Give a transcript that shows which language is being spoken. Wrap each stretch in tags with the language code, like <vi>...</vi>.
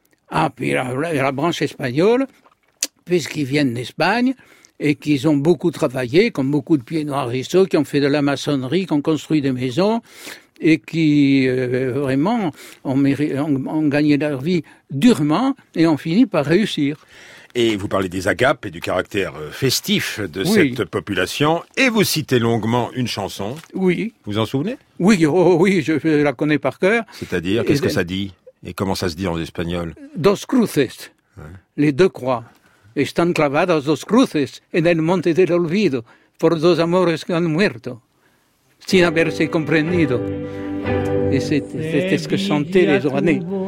<fr>Ah, puis la branche espagnole, puisqu'ils viennent d'Espagne et qu'ils ont beaucoup travaillé, comme beaucoup de pieds noirs et ceux qui ont fait de la maçonnerie, qui ont construit des maisons et qui, vraiment, ont gagné leur vie durement et ont fini par réussir. Et vous parlez des agapes et du caractère festif de cette population. Et vous citez longuement une chanson. Oui. Vous en souvenez? Oui, oh oui, je la connais par cœur. C'est-à-dire, qu'est-ce que ça dit? Et comment ça se dit en espagnol?</fr> <es>Dos cruces.</es> <fr>les deux croix,</fr> <es>están clavadas dos cruces en el monte del olvido por dos amores que han muerto sin haberse comprendido.</es> <fr>Et c'était ce que chantaient les Rouennais.</fr>